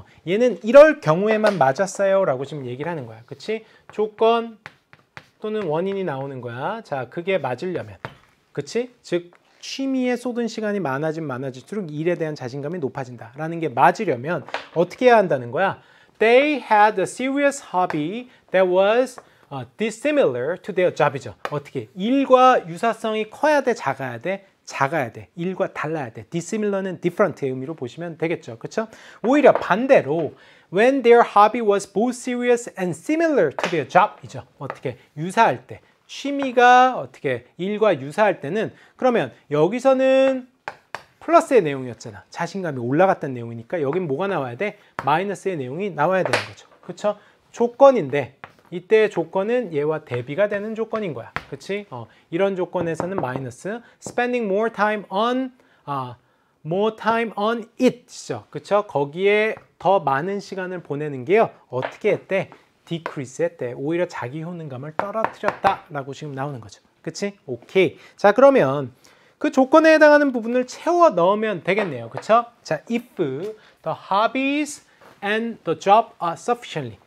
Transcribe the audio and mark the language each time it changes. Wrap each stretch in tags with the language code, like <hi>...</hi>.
<ko>얘는 이럴 경우에만 맞았어요 라고 지금 얘기를 하는 거야. 그치? 조건 또는 원인이 나오는 거야. 자, 그게 맞으려면. 그치? 즉 취미에 쏟은 시간이 많아진 많아질수록 일에 대한 자신감이 높아진다 라는 게 맞으려면 어떻게 해야 한다는 거야?</ko> <en>They had a serious hobby that was dissimilar to their job이죠.</en> <ko>어떻게? 일과 유사성이 커야 돼? 작아야 돼? 작아야 돼. 일과 달라야 돼. Dissimilar는 different의 의미로 보시면 되겠죠. 그쵸? 오히려 반대로</ko> <en>When their hobby was both serious and similar to their job이죠.</en> <ko>어떻게? 유사할 때. 취미가 어떻게? 일과 유사할 때는 그러면 여기서는 플러스의 내용이었잖아. 자신감이 올라갔다는 내용이니까 여긴 뭐가 나와야 돼? 마이너스의 내용이 나와야 되는 거죠. 그쵸? 조건인데 이때 조건은 얘와 대비가 되는 조건인 거야. 그치? 이런 조건에서는 마이너스.</ko> <en>Spending more time on, more time on it죠. 그쵸?</en> <ko>거기에 더 많은 시간을 보내는 게요. 어떻게 했대? Decrease 했대. 오히려 자기 효능감을 떨어뜨렸다. 라고 지금 나오는 거죠. 그치? 오케이. 자, 그러면 그 조건에 해당하는 부분을 채워 넣으면 되겠네요. 그쵸?</ko> <en>자, if the hobbies and the job are sufficiently.</en>